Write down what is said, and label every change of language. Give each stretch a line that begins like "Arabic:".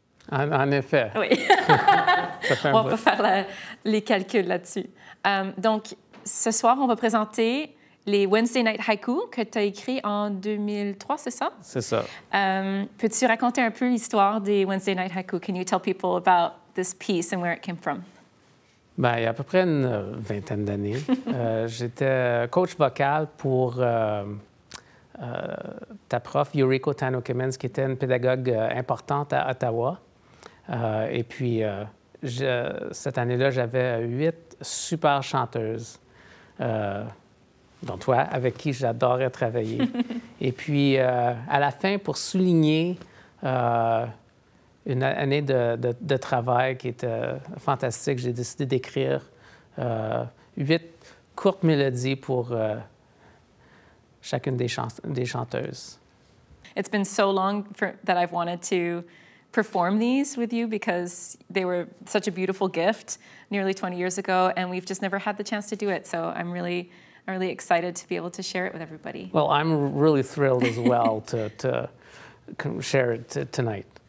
French: En effet. Oui. On va faire les calculs là-dessus. Donc, ce soir, on va présenter les Wednesday Night Haiku que tu as écrits en 2003, c'est ça? C'est ça. Peux-tu raconter un peu l'histoire des Wednesday Night Haiku?
English: Can you tell people about this piece and where it came from?
French: Bien, il y a à peu près une vingtaine d'années, j'étais coach vocal pour ta prof, Yuriko Tano-Kimmins, qui était une pédagogue importante à Ottawa. Et puis, cette année-là, j'avais 8 super chanteuses, dont toi, avec qui j'adorais travailler. Et puis, à la fin, pour souligner une année de travail qui était fantastique, j'ai décidé d'écrire 8 courtes mélodies pour chacune des chanteuses.
English: It's been so long that I've wanted to perform these with you because they were such a beautiful gift nearly 20 years ago, and we've just never had the chance to do it. So I'm really excited to be able to share it with everybody. Well, I'm really thrilled as well to share it tonight.